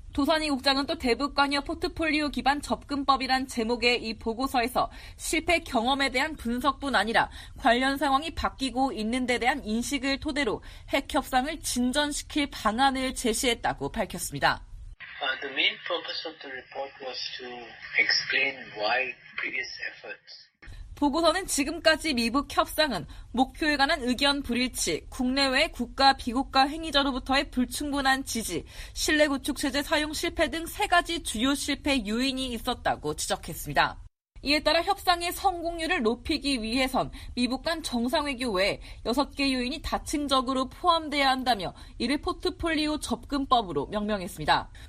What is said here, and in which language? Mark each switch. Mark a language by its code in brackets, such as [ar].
[ko] 도산이 국장은 또 대북관여 포트폴리오 기반 접근법이란 제목의 이 보고서에서 실패 경험에 대한 분석뿐 아니라 관련 상황이 바뀌고 있는 데 대한 인식을 토대로 핵협상을 진전시킬 방안을 제시했다고 밝혔습니다. [en] The main purpose of the report was to explain why previous efforts. [ko] 보고서는 지금까지 미북 협상은 목표에 관한 의견 불일치, 국내외 국가, 비국가 행위자로부터의 불충분한 지지, 신뢰 구축 체제 사용 실패 등 세 가지 주요 실패 요인이 있었다고 지적했습니다. 이에 따라 협상의 성공률을 높이기 위해선 미북 간 정상회교 외에 6개 요인이 다층적으로 포함돼야 한다며 이를 포트폴리오 접근법으로 명명했습니다.